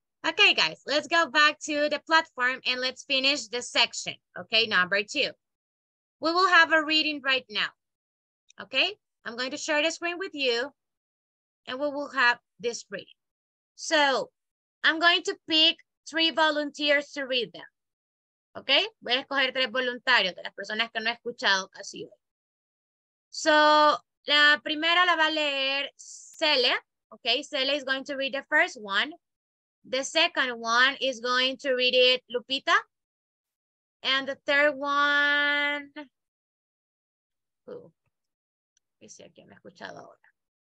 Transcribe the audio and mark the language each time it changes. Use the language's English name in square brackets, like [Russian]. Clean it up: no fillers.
[English] Okay, guys, let's go back to the platform and let's finish this section. Okay, number two. We will have a reading right now. Okay, I'm going to share the screen with you and we will have this reading. So I'm going to pick three volunteers to read them. [Spanish] Ok, voy a escoger tres voluntarios de las personas que no he escuchado casi hoy. So, la primera la va a leer Cele. [English] Ok, Cele is going to read the first one. The second one is going to read it Lupita. And the third one... [Spanish] Uy, si alguien me ha escuchado ahora.